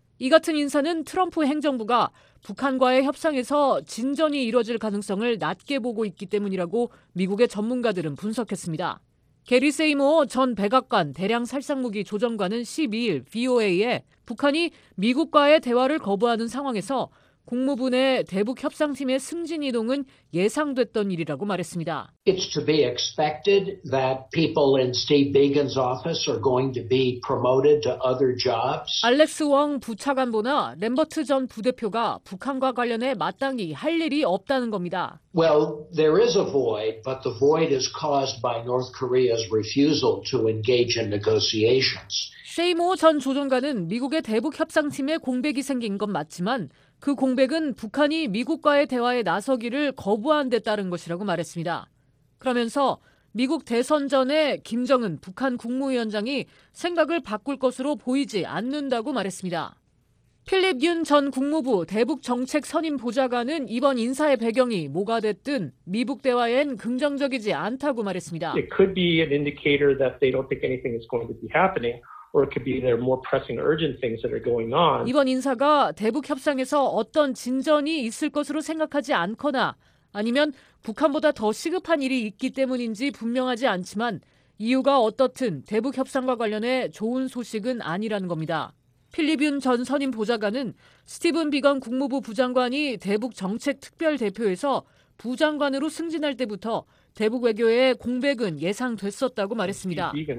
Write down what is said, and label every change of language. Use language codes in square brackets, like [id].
[ko] 이 같은 인사는 트럼프 행정부가 북한과의 협상에서 진전이 이뤄질 가능성을 낮게 보고 있기 때문이라고 미국의 전문가들은 분석했습니다. 게리 세이모 전 백악관 대량 살상무기 조정관은 12일 VOA에 북한이 미국과의 대화를 거부하는 상황에서 국무부 내 대북 협상팀의 승진 이동은 예상됐던 일이라고 말했습니다. [en] It's to be expected that people in Steve Biegun's office are going to be promoted to other jobs. [ko] 알렉스 웡 부차관보나 램버트 전 부대표가 북한과 관련해 마땅히 할 일이 없다는 겁니다. [en] Well, there is a void, but the void is caused by North Korea's refusal to engage in negotiations. [ko] 세이모 전 조정관은 미국의 대북 협상팀에 공백이 생긴 건 맞지만 그 공백은 북한이 미국과의 대화에 나서기를 거부한 데 따른 것이라고 말했습니다. 그러면서 미국 대선 전에 김정은 북한 국무위원장이 생각을 바꿀 것으로 보이지 않는다고 말했습니다. 필립 윤 전 국무부 대북정책 선임 보좌관은 이번 인사의 배경이 뭐가 됐든 미북 대화엔 긍정적이지 않다고 말했습니다. [en] It could be an indicator that they don't think anything is going to be happening. Or it could be there are more pressing, urgent things that are going on. [ko] 이번 인사가 대북 협상에서 어떤 진전이 있을 것으로 생각하지 않거나 아니면 북한보다 더 시급한 일이 있기 때문인지 분명하지 않지만 이유가 어떻든 대북 협상과 관련해 좋은 소식은 아니라는 겁니다. 필립 윤 전 선임 보좌관은 스티븐 비건 국무부 부장관이 대북 정책 특별 대표에서 부장관으로 승진할 때부터 대북 외교의 공백은 예상됐었다고 말했습니다.